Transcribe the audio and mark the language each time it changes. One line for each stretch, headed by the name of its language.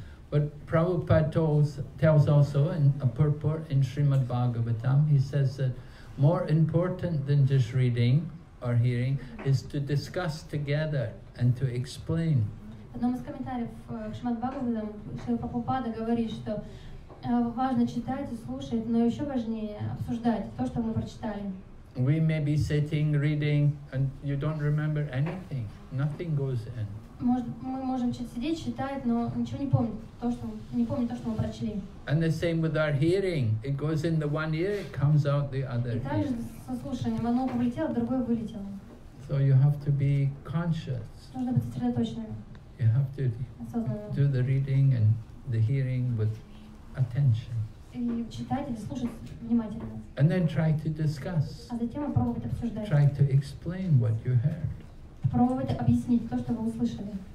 English: But Prabhupada tells also in a purport in Srimad Bhagavatam, he says that more important than just reading or hearing is to discuss together and to explain.
Russian: В одном из комментариев к Шримад Бхагаватам Шрила Прабхупада говорит, что важно читать и слушать, но еще важнее обсуждать то, что мы прочитали.
English: We may be sitting, reading, and you don't remember anything. Nothing goes in.
Russian: Мы можем сидеть, читать, но ничего не помнить, не помнить то, что мы прочли.
English: And the same with our hearing. It goes in the one ear, it comes out the other ear.
Russian: И также со слушанием. Одно ухо влетело, другое вылетело.
English: So you have to be conscious.
Russian: Нужно быть сосредоточенным.
English: You have to do the reading and the hearing with attention.
Russian: И читать или слушать внимательно.
English: And then try to discuss.
Russian: А затем попробовать обсуждать.
English: Try to explain what you heard.
Russian: Попробовать объяснить то, что вы услышали.